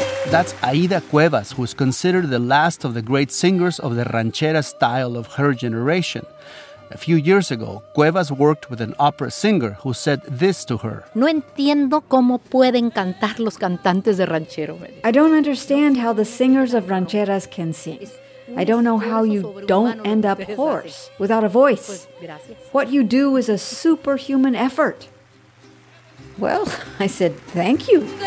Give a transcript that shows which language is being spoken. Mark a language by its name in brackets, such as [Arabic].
[English] That's Aida Cuevas, who is considered the last of the great singers of the ranchera style of her generation. A few years ago, Cuevas worked with an opera singer who said this to her. [Spanish] No entiendo cómo pueden cantar los cantantes de ranchero. [English] I don't understand how the singers of rancheras can sing. I don't know how you don't end up hoarse without a voice. What you do is a superhuman effort. Well, I said, thank you.